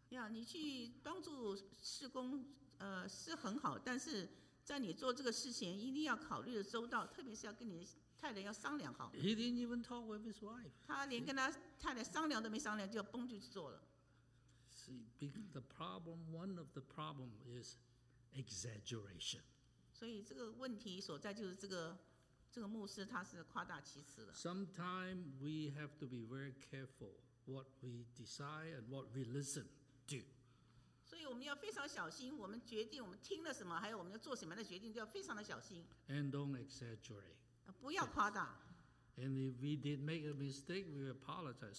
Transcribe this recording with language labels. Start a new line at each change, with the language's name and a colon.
Chinese: 你去帮助事工，是很好。但是在你做这个事情，一定要考虑的周到，特别是要跟你的太太要商量好。
English: He didn't even talk with his wife.
Chinese: 他连跟他太太商量都没商量，就崩就去做了。
English: See, the problem, one of the problem is exaggeration.
Chinese: 所以这个问题所在就是这个牧师他是夸大其词的。
English: Sometimes we have to be very careful what we decide and what we listen to.
Chinese: 所以我们要非常小心，我们决定我们听了什么还有我们要做什么样的决定都要非常的小心。
English: And don't exaggerate.
Chinese: 不要夸大。
English: And if we did make a mistake, we apologize.